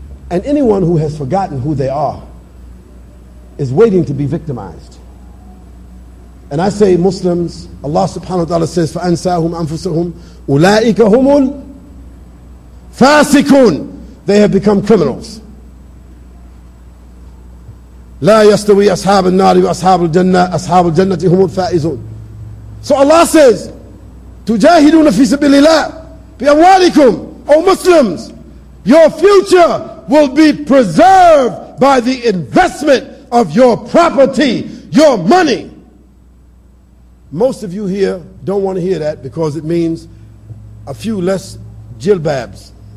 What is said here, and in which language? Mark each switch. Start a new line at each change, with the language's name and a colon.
English: And anyone who has forgotten who they are is waiting to be victimized. And I say, Muslims, Allah subhanahu wa ta'ala says,
Arabic: فَأَنْسَاهُمْ أَنْفُسَهُمْ أُولَٰئِكَ هُمُ الْفَاسِقُونَ.
English: They have become criminals.
Arabic: لا يستوي أصحاب النار وأصحاب الجنة أصحاب الجنة هم الفائزون.
English: So Allah says,
Arabic: تجاهدون في سبيل الله بأموالكم.
English: O Muslims, your future will be preserved by the investment of your property, your money. Most of you here don't want to hear that because it means a few less jilbabs.